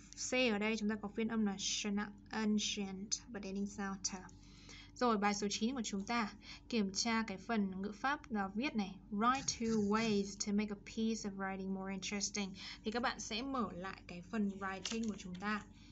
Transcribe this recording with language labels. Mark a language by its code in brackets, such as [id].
[vi] C ở đây chúng ta có phiên âm là ancient, [en] but ending sound. [vi] Rồi, bài số 9 của chúng ta kiểm tra cái phần ngữ pháp là viết này. [en] Write two ways to make a piece of writing more interesting. [vi] Thì các bạn sẽ mở lại cái phần writing của chúng ta.